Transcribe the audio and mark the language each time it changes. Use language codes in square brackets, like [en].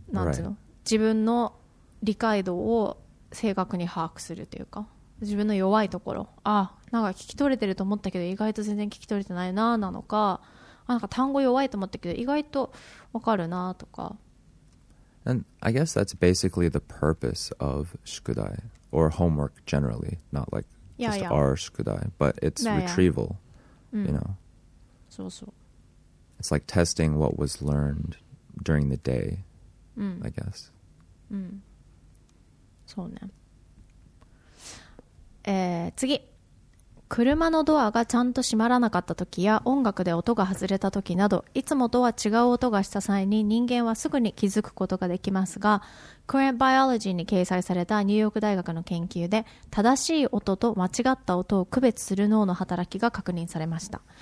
[ja] ていうの、自分の理解度を正確に把握するというか、自分の弱いところ、ああなんか聞き取れてると思ったけど意外と全然聞き取れてないななのか、なんか単語弱いと思ったけど意外と分かるなとか。 [en] And I guess that's basically the purpose of 宿題 or homework generally, not like just yeah, yeah. our 宿題, but it's yeah, retrieval yeah. you know、 [ja] そうそう、 [en] it's like testing what was learned during the day、I guess、 [ja] そうね、次、車のドアがちゃんと閉まらなかった時や音楽で音が外れた時など、いつもとは違う音がした際に人間はすぐに気づくことができますが、 Current Biology に掲載されたニューヨーク大学の研究で正しい音と間違った音を区別する脳の働きが確認されました。